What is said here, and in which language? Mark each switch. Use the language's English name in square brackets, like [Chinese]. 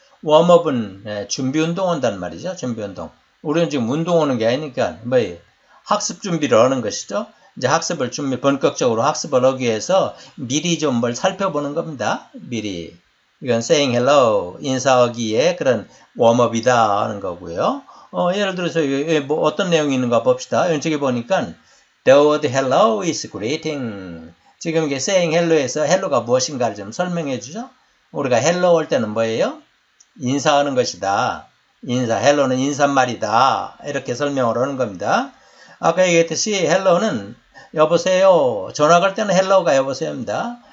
[Korean] 웜업은 준비 운동한단 말이죠. 준비 운동. 우리는 지금 운동하는 게 아니니까 뭐 학습 준비를 하는 것이죠. 이제 학습을 준비 본격적으로 학습을 하기 위해서 미리 좀 뭘 살펴보는 겁니다. 미리 이건 saying hello 인사하기에 그런 웜업이다 하는 거고요. 예를 들어서 뭐 어떤 내용이 있는가 봅시다. 왼쪽에 보니까 [English] the word hello is greeting. [Korean] 지금 이게 saying hello에서 hello가 무엇인가를 좀 설명해 주죠. 우리가 hello 할 때는 뭐예요? 인사하는 것이다. 인사, 헬로는 인사말이다. 이렇게 설명을 하는 겁니다. 아까 얘기했듯이 헬로는 여보세요. 전화 갈 때는 헬로가 여보세요입니다.